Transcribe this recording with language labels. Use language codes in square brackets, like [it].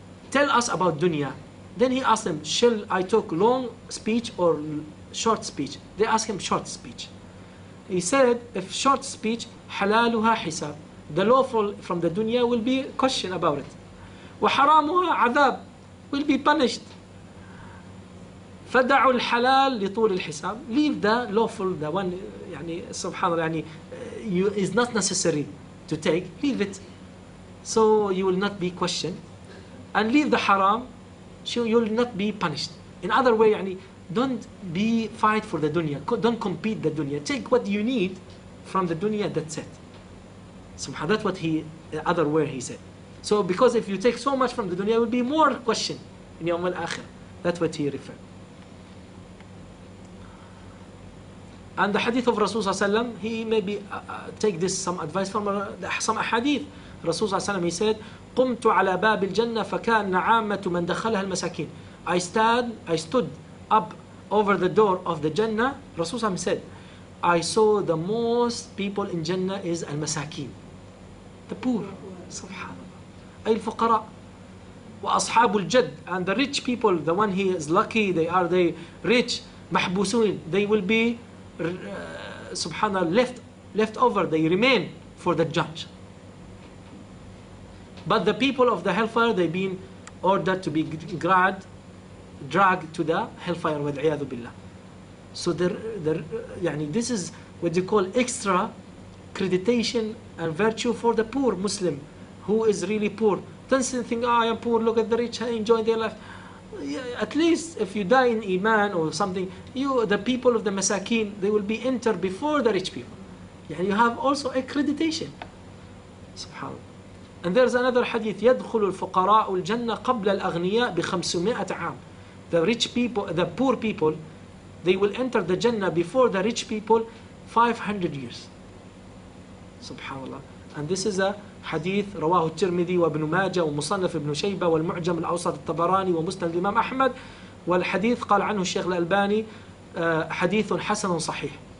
[en] Tell us about dunya. Then he asked him, shall I talk long speech or short speech? They asked him short speech. He said, if short speech, [ar] حلالها حساب. [en] The lawful from the dunya will be questioned about it. [ar] وحرامها عذاب, [en] will be punished. [ar] فدعوا الحلال لطول الحساب. [en] Leave the lawful, the one, [ar] يعني سبحان الله, [en] يعني you, is not necessary to take. Leave it. So you will not be questioned. And leave the haram, so you will not be punished. In other way, يعني, don't be fight for the dunya. Don't compete the dunya. Take what you need from the dunya, that's it. Subhan, that's what he, other way he said. So because if you take so much from the dunya, it will be more question in Yawm al-Akhir. That's what he referred. And the hadith of Rasulullah sallam, he maybe take this some advice from some hadith. Rasulullah sallam, he said, [ar] قمت على باب الجنة فكان عامة من دخلها المساكين. [en] I stood up over the door of the Jannah. Rasulullah said, I saw the most people in Jannah is al-masakin, the poor. Subhanallah. Al-fuqara wa ashab al-jadd, and the rich people, the one he is lucky, they are rich, mahbusun, they will be subhanallah left over, they remain for the judge. But the people of the hellfire, they've been ordered to be dragged to the hellfire, wal-iyadu billah. So this is what you call extra creditation and virtue for the poor Muslim who is really poor. Don't think, oh, I am poor, look at the rich, I enjoy their life. At least if you die in Iman or something, the people of the masakin, they will be entered before the rich people. Yeah, you have also accreditation. SubhanAllah. And there's another hadith, [ar] يدخل الفقراء الجنة قبل الأغنياء بخمسمائة عام. [en] The rich people, the poor people, they will enter the Jannah before the rich people 500 years. SubhanAllah. And this is a hadith, [ar] رواه الترمذي وابن ماجة ومصنف ابن شيبة والمعجم الأوسط الطبراني ومسند الإمام أحمد. والحديث قال عنه الشيخ الألباني, حديث حسن صحيح.